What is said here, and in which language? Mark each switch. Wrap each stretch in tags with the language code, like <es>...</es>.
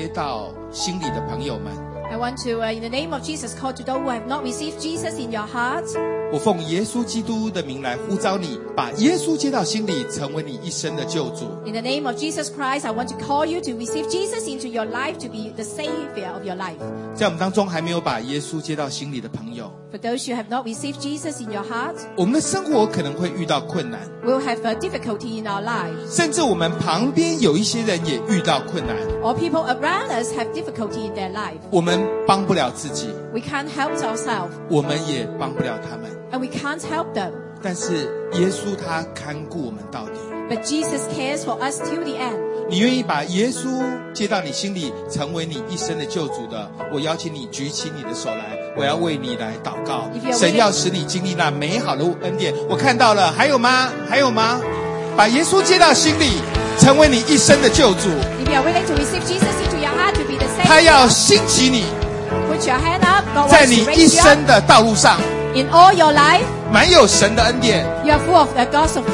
<en>I want to, in the name of Jesus, call to those who have not received Jesus in your heart.</en> <zh>我奉耶稣基督的名来呼召你，把耶稣接到心里，成为你一生的救主。</zh> <en>In the name of Jesus Christ, I want to call you to receive Jesus into your life to be the savior of your life.</en> <zh>在我们当中还没有把耶稣接到心里的朋友。</zh> <en>For those who have not received Jesus in your heart,</en> <zh>我们的生活可能会遇到困难。</zh> <en>We'll have a difficulty in our life.</en> <zh>甚至我们旁边有一些人也遇到困难。</zh> <en>Or people around us have difficulty in their life.</en> <zh>我们帮不了自己。</zh> <en>We can't help ourselves.</en> <zh>我们也帮不了他们。</zh> <en>And we can't help them.</en> <zh>但是耶稣他看顾我们到底。</zh> <en>But Jesus cares for us till the end.</en> <zh>你愿意把耶稣接到你心里，成为你一生的救主的，我邀请你举起你的手来，我要为你来祷告。神要使你经历那美好的恩典。我看到了，还有吗？还有吗？把耶稣接到心里，成为你一生的救主。</zh> <en>If you are willing to receive Jesus into your heart to be the Savior,</en> <zh>他要兴起你。</zh> <en>Put your hand up.</en> <zh>在你一生的道路上。</zh> <en>In all your life,</en> <zh>满有神的恩典。</zh> <en>You are full of the grace of God.</en>